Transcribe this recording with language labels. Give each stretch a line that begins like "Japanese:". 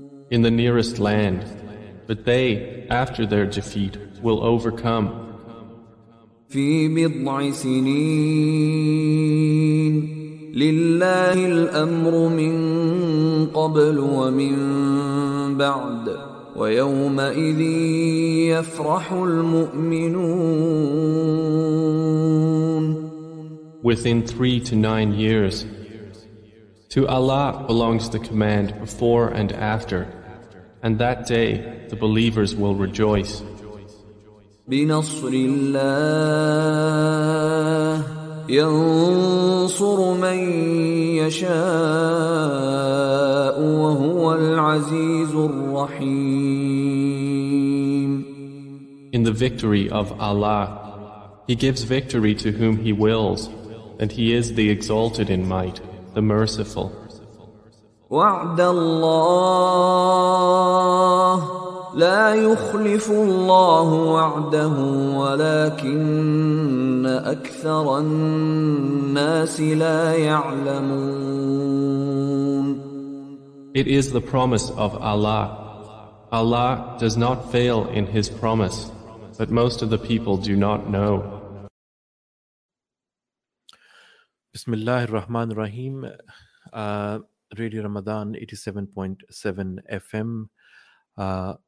English: In the nearest land, but they, after their defeat, will overcome.
Arabic: في بضع سنين. لله الأمر من قبل ومن بعد ويومئذ يفرح المؤمنون.
English: Within 3 to 9 years, to Allah belongs the command before and after, and that day the believers will rejoice.
Arabic: بنصر الله ينصر من يشاء وهو العزيز الرحيم.
English: In the victory of Allah, He gives victory to whom He wills, and He is the exalted in might, the merciful.
Arabic: وعد الله لا يخلف الله وعده ولكن أكثر الناس لا يعلمون.
English: It is the promise of Allah. Allah does not fail in His promise, but most of the people do not know.
Arabic: بسم الله الرحمن الرحيم. Radio Ramadan 87.7 FM.